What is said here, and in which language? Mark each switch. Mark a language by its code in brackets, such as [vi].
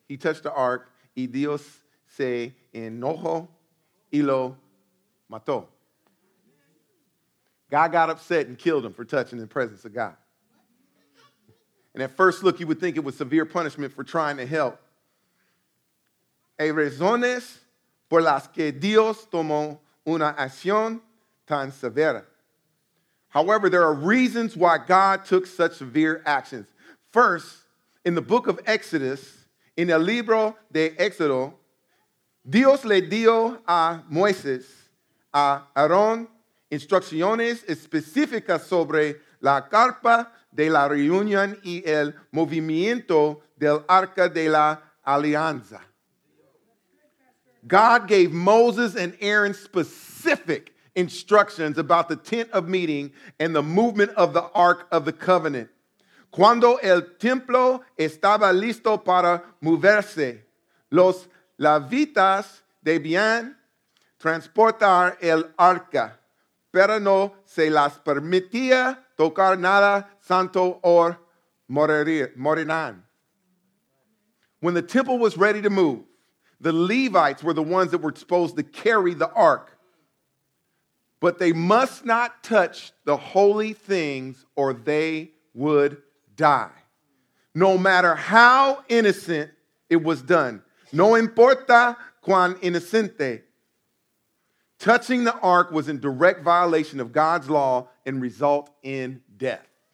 [en] He touched the ark, [es] y Dios se enojó y lo mató. [en] God got upset and killed him for touching the presence of God. And at first look, you would think it was severe punishment for trying to help. [es] Hay razones por las que Dios tomó una acción tan severa. [en] However, there are reasons why God took such severe actions. First, in the book of Exodus, in [es] el libro de Éxodo, Dios le dio a Moisés, a Aarón, instrucciones específicas sobre la carpa de la reunión y el movimiento del arca de la alianza. [en] God gave Moses and Aaron specific instructions about the tent of meeting and the movement of the Ark of the Covenant. [es] Cuando el templo estaba listo para moverse, los levitas debían transportar el arca, pero no se las permitía tocar nada santo o morirán. [en] When the temple was ready to move, the Levites were the ones that were supposed to carry the ark. But they must not touch the holy things or they would die. No matter how innocent it was done, [es] no importa cuán inocente, [en] touching the ark was in direct violation of God's law and result in death.